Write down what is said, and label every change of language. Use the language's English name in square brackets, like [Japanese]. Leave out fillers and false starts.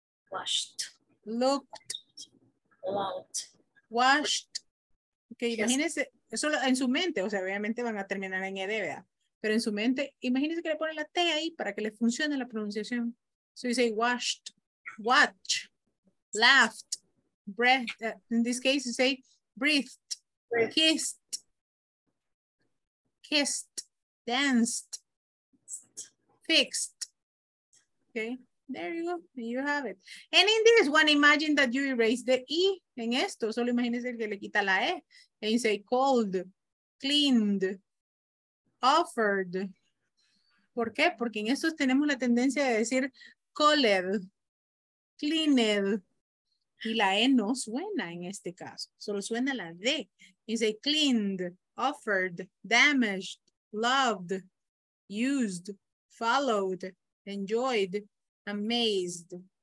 [English] washed, looked, loved, washed. Okay, yes. [Spanish] Imagínense, eso en su mente, o sea, obviamente van a terminar en ed, ¿verdad? Pero en su mente, imagínense que le ponen la T ahí para que le funcione la pronunciación. [English] So you say washed, watch, laughed, breathed. In this case, you say breathed, kissed, kissed, danced, fixed. Okay, there you go. You have it. And in this one, imagine that you erase the E [Spanish] en esto. Solo imagínense que le quita la E. [English] And you say cold, cleaned, offered. [Spanish] ¿Por qué? Porque en estos tenemos la tendencia de decir called, cleaned, y la E no suena en este caso, solo suena la D. [English] You say cleaned, offered, damaged, loved, used, followed, enjoyed, amazed.